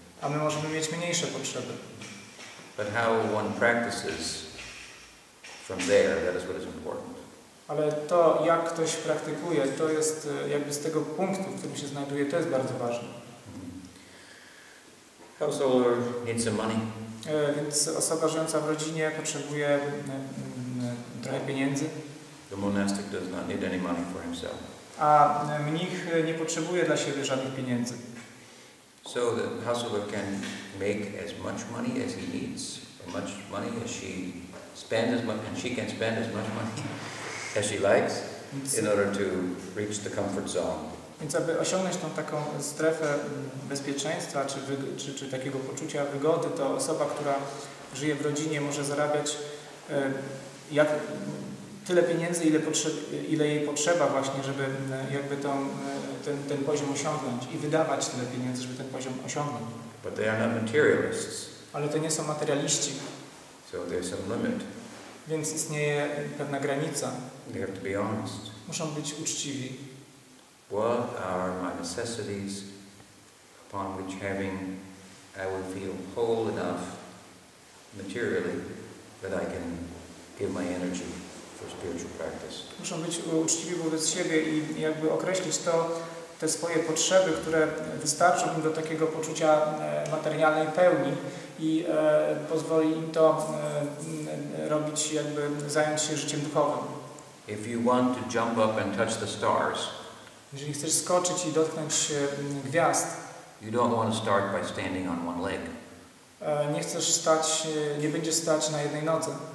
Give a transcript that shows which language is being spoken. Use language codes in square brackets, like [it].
[pl] A my możemy mieć mniejsze potrzeby. [en] But how one practices from there, that is what is important. [pl] Ale to, jak ktoś praktykuje, to jest jakby z tego punktu, w którym się znajduje, to jest bardzo ważne. [en] Householder needs some money. [pl] Więc osoba żyjąca w rodzinie potrzebuje trochę pieniędzy. [en] The monastic does not need any money for himself. [pl] A mnich nie potrzebuje dla siebie żadnych pieniędzy. [en] So the householder can make as much money as he needs, as much money as she spend as much, and she can spend as much money as she likes in order to reach the comfort zone. [pl] Więc aby osiągnąć tą taką strefę bezpieczeństwa, czy takiego poczucia wygody, to osoba, która żyje w rodzinie, może zarabiać jak tyle pieniędzy, ile jej potrzeba właśnie, żeby jakby ten poziom osiągnąć i wydawać tyle pieniędzy, żeby ten poziom osiągnąć. [en] But they are not materialists. [pl] Ale to nie są materialiści. [en] So there's some limit. [pl] Więc istnieje pewna granica. [en] They have to be honest. [pl] Muszą być uczciwi. [en] What are my necessities upon which having I will feel whole enough materially that I can give my energy for spiritual practice. [pl] Muszą być uczciwi wobec siebie i jakby określić to, te swoje potrzeby, które wystarczą im do takiego poczucia materialnej pełni i pozwoli im to robić, jakby zająć się życiem duchowym. [en] If you want to jump up and touch the stars, [pl] jeżeli chcesz skoczyć i dotknąć się gwiazd, [en] you don't want to start by standing on one leg. [pl] Nie chcesz stać, nie będziesz stać na jednej nodze.